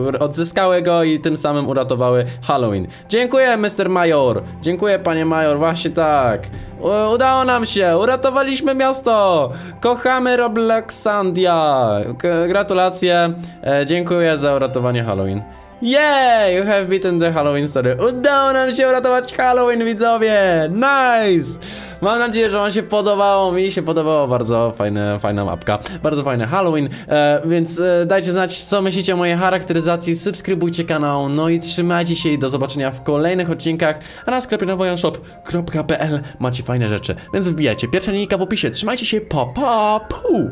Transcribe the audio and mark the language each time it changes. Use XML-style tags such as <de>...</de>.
<pl>Odzyskały go i tym samym uratowały Halloween. Dziękuję, Mr. Major. Dziękuję, panie Major, właśnie tak. Udało nam się, uratowaliśmy miasto. Kochamy Robloxandia. Gratulacje, dziękuję za uratowanie Halloween.</pl> <en>Yay, you have beaten the Halloween story.</en> <pl>Udało nam się uratować Halloween, widzowie. Nice. Mam nadzieję, że wam się podobało. Mi się podobało, bardzo fajna mapka. Bardzo fajny Halloween. Więc dajcie znać, co myślicie o mojej charakteryzacji. Subskrybujcie kanał. No i trzymajcie się i do zobaczenia w kolejnych odcinkach. A na sklepie na wojanshop.pl macie fajne rzeczy. Więc wbijajcie, pierwsza linijka w opisie. Trzymajcie się, pa pa, pu.</pl>